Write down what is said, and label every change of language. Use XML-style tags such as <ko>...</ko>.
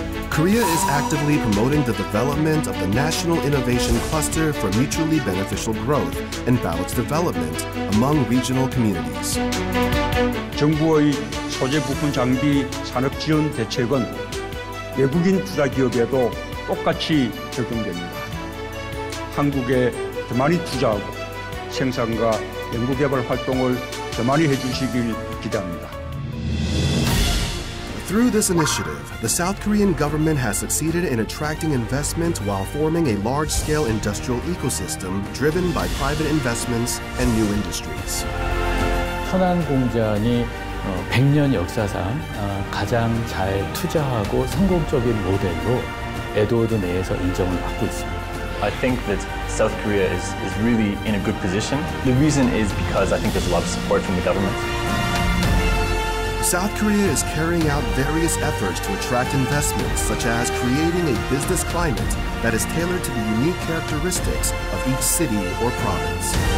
<en>Korea is actively promoting the development of the National Innovation Cluster for Mutually Beneficial Growth and Balanced Development among regional communities.</en> <ko>정부의 소재 부품 장비 산업 지원 대책은 외국인 투자 기업에도 똑같이 적용됩니다. 한국에 더 많이 투자하고 생산과 연구개발 활동을 더 많이 해주시길 기대합니다.</ko> <en>Through this initiative, the South Korean government has succeeded in attracting investment while forming a large-scale industrial ecosystem driven by private investments and new industries.</en> <ko>천안 공장이 100년 역사상 가장 잘 투자하고 성공적인 모델로 에드워드 내에서 인정을 받고 있습니다.</ko> <en>I think that South Korea is really in a good position. The reason is because I think there's a lot of support from the government. South Korea is carrying out various efforts to attract investments, such as creating a business climate that is tailored to the unique characteristics of each city or province.</en>